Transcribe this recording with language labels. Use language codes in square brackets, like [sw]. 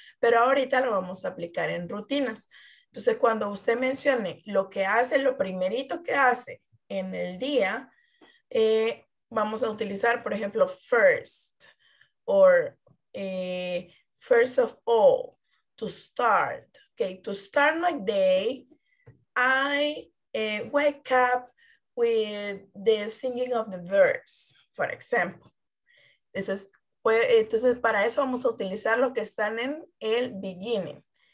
[es] Pero ahorita lo vamos a aplicar en rutinas. Entonces, cuando usted mencione lo que hace, lo primerito que hace en el día, vamos a utilizar, por ejemplo, [en] first, or first of all, to start. Okay, to start my day, I wake up with the singing of the verse, for example. [es] Entonces, para eso vamos a utilizar lo que están en el beginning.